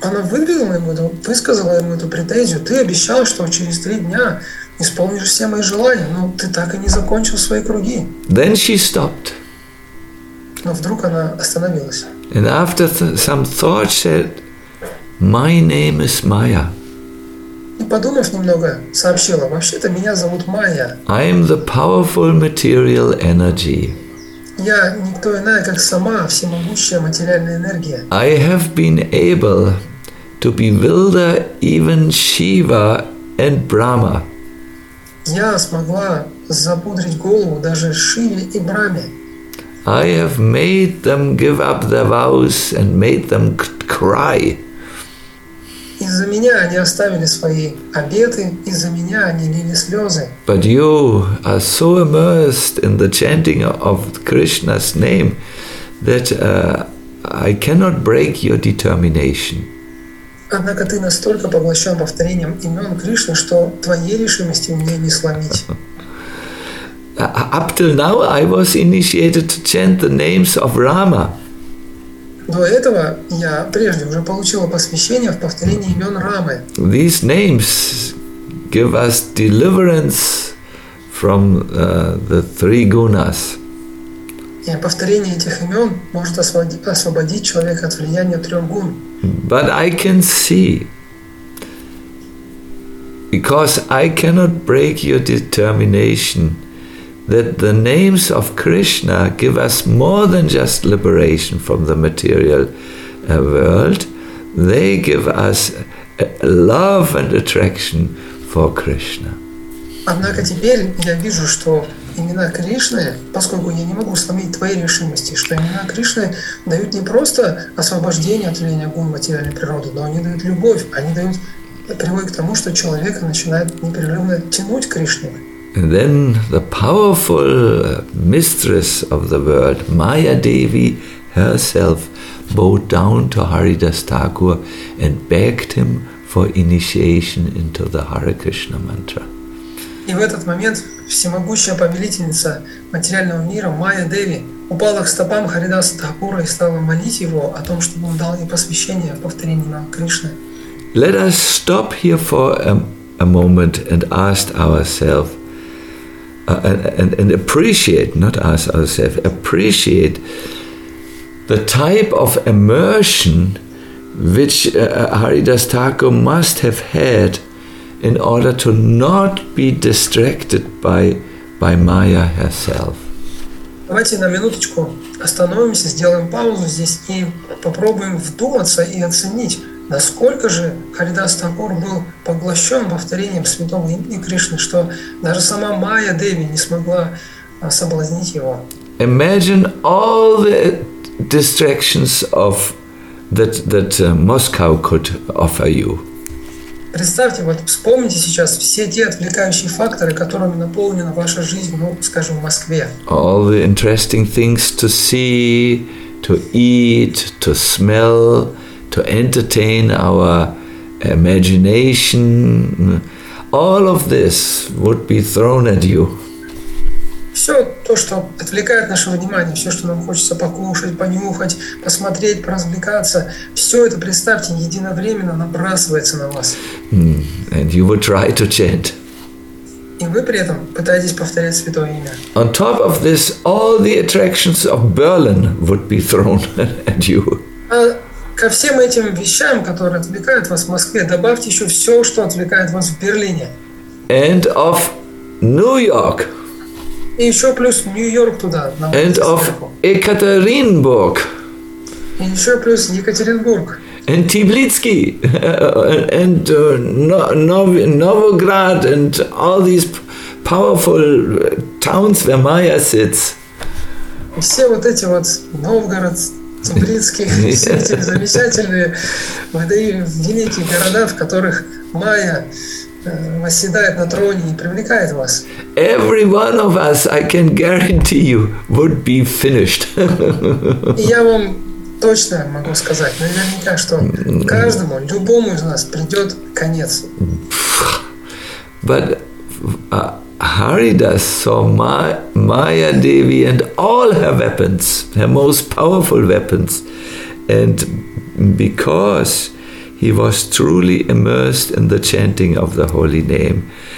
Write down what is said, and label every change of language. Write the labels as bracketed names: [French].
[Russian] Она высказала ему эту претензию. Ты обещал, что через 3 дня исполнишь все мои желания, но ты так и не закончил свои круги. [English] Then she stopped. [Russian] Но вдруг она остановилась. [English] And after some thought said, "My name is Maya." [Russian] И подумав немного, сообщила: "Вообще-то меня зовут Майя. [English] I am the powerful material energy. [Russian] Я никто иная, как сама всемогущая материальная энергия. [English] I have been able to bewilder even Shiva and Brahma. [Russian] Я смогла запудрить голову даже Шиве и Браме. [English] I have made them give up their vows and made them cry. [Russian] Из-за меня они оставили свои обеты, из-за меня они лили слезы. [English] But you are so immersed in the chanting of Krishna's name that I cannot break your determination. [Russian] Однако ты настолько поглощен повторением имен Кришны, что твоей решимости мне не сломить. [English] Up till now I was initiated to chant the names of Rama. [Russian] До этого я прежде уже получила посвящение в повторении имен Рамы. [English] These names give us deliverance from the three gunas. [Russian] И повторение этих имен может освободить человека от влияния трех гун. [English] But I can see, because I cannot break your determination, that the names of Krishna give us more than just liberation from the material world. They give us love and attraction for Krishna. [Russian] Однако теперь я вижу, что имена Кришны, поскольку я не могу сломить твои решимости, что имена Кришны дают не просто освобождение от влияния гун материальной природы, но они дают любовь, они дают, приводят к тому, что человек начинает непрерывно тянуть к Кришне. [English] And then the powerful mistress of the world, Maya Devi herself, bowed down to Haridas Thakur and begged him for initiation into the Hare Krishna mantra. [Russian] И в этот момент всемогущая повелительница материального мира Майя Деви упала к стопам Харидаса Тхакура и стала молить его о том, чтобы он дал ей посвящение в повторении имен Кришны. [English] Let us stop here for a moment and ask ourselves and appreciate, not ask ourselves, appreciate the type of immersion which Haridas Thakur must have had in order to not be distracted by Maya herself. [Russian] Давайте на минуточку остановимся, сделаем паузу здесь и попробуем вдуматься и оценить, насколько же Харидас Тхакур был поглощен повторением святого имени Кришны, что даже сама Майя Деви не смогла соблазнить его. [English] Imagine all the distractions of that Moscow could offer you. [Russian] Представьте, вот вспомните сейчас все те отвлекающие факторы, которыми наполнена ваша жизнь, ну, скажем, в Москве. [English] All the interesting things to see, to eat, to smell, to entertain our imagination. All of this would be thrown at you. [Russian] Все то, что отвлекает наше внимание, все, что нам хочется покушать, понюхать, посмотреть, поразвлекаться, все это, представьте, единовременно набрасывается на вас. [English] And you would try to chant. [Russian] И вы при этом пытаетесь повторять святое имя. [English] On top of this, all the attractions of Berlin would be thrown at you. [Russian] А ко всем этим вещам, которые отвлекают вас в Москве, добавьте еще все, что отвлекает вас в Берлине. [English] And of New York. [Russian] И еще плюс Нью-Йорк туда. [English] And of Екатеринбург. [Russian] И еще плюс Екатеринбург. [English] And Тбилиси. And Новоград. And all these powerful towns where Maya sits. [Russian] И все вот эти вот Новгород, Тбилиси, все эти замечательные, великие города, в которых Maya восседает на троне и привлекает вас. [English] Every one of us, I can guarantee you, would be finished. [Russian] Я вам точно могу сказать, наверняка, что каждому, любому из нас придет конец. [English] But Haridas saw Maya Devi and all her weapons, her most powerful weapons, and because he was truly immersed in the chanting of the holy name.